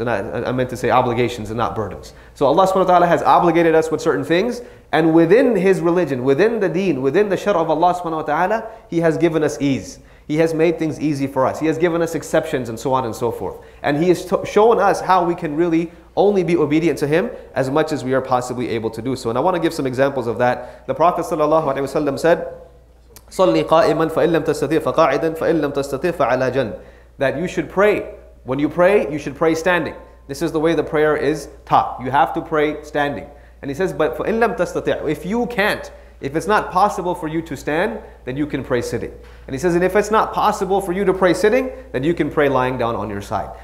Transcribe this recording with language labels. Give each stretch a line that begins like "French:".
English: And I meant to say obligations and not burdens. So Allah subhanahu wa ta'ala has obligated us with certain things, and within His religion, within the deen, within the shara of Allah subhanahu wa ta'ala, He has given us ease. He has made things easy for us. He has given us exceptions and so on and so forth. And He has shown us how we can really only be obedient to Him as much as we are possibly able to do so. And I want to give some examples of that. The Prophet sallallahu alaihi wasallam said,
Arabic: صلي قائما فإن لم تستطيع فقاعدا فإن لم تستطيع فعلى جنب.
English: That you should pray. When you should pray standing. This is the way the prayer is taught. You have to pray standing. And he says, but
Arabic: فإن لم تستطيع,
English: if you can't, if it's not possible for you to stand, then you can pray sitting. And he says, and if it's not possible for you to pray sitting, then you can pray lying down on your side.